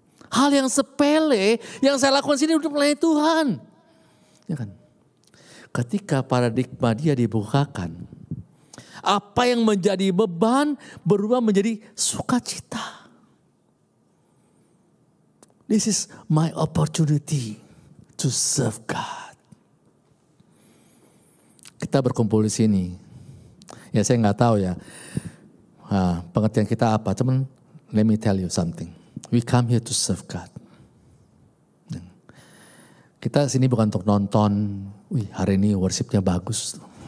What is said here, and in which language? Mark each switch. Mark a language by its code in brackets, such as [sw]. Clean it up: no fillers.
[id] Hal yang sepele yang saya lakukan sini untuk melayani Tuhan. Ya kan? Ketika paradigma dia dibukakan, apa yang menjadi beban berubah menjadi sukacita. [en] This is my opportunity to serve God. [id] Kita berkumpul di sini. Ya saya gak tahu ya pengertian kita apa. Cuman [en] let me tell you something. We come here to serve God. [id] Kita sini bukan untuk nonton. Wih hari ini worshipnya bagus.